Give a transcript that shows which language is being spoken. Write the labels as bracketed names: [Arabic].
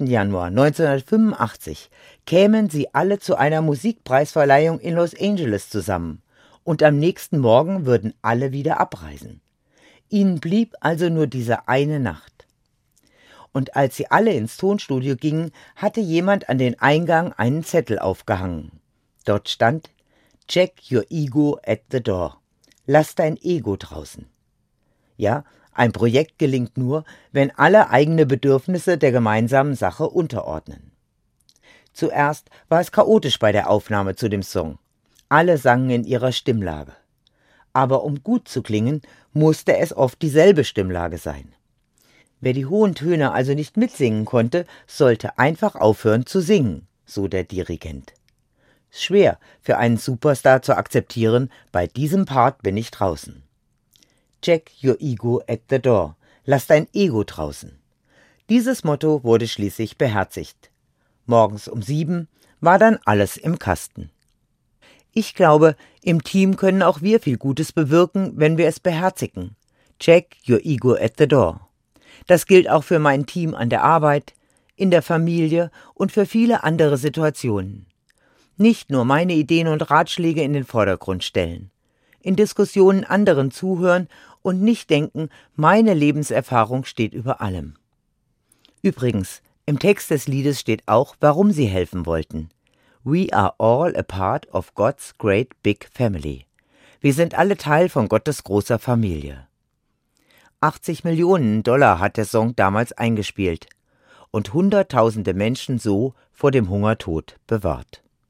[German] Januar 1985 kämen sie alle zu einer Musikpreisverleihung in Los Angeles zusammen. Und am nächsten Morgen würden alle wieder abreisen. Ihnen blieb also nur diese eine Nacht. Und als sie alle ins Tonstudio gingen, hatte jemand an den Eingang einen Zettel aufgehangen. Dort stand: [English] Check your ego at the door. [German] Lass dein Ego draußen. Ja, ein Projekt gelingt nur, wenn alle eigene Bedürfnisse der gemeinsamen Sache unterordnen. Zuerst war es chaotisch bei der Aufnahme zu dem Song. Alle sangen in ihrer Stimmlage. Aber um gut zu klingen, musste es oft dieselbe Stimmlage sein. Wer die hohen Töne also nicht mitsingen konnte, sollte einfach aufhören zu singen, so der Dirigent. Schwer für einen Superstar zu akzeptieren, bei diesem Part bin ich draußen. [English] Check your ego at the door. [German] Lass dein Ego draußen. Dieses Motto wurde schließlich beherzigt. Morgens um 7 war dann alles im Kasten. Ich glaube, im Team können auch wir viel Gutes bewirken, wenn wir es beherzigen. [English] Check your ego at the door. [German] Das gilt auch für mein Team an der Arbeit, in der Familie und für viele andere Situationen. Nicht nur meine Ideen und Ratschläge in den Vordergrund stellen. In Diskussionen anderen zuhören und nicht denken, meine Lebenserfahrung steht über allem. Übrigens, im Text des Liedes steht auch, warum sie helfen wollten. [English] We are all a part of God's great big family. [German] Wir sind alle Teil von Gottes großer Familie. 80 Millionen Dollar hat der Song damals eingespielt und hunderttausende Menschen so vor dem Hungertod bewahrt.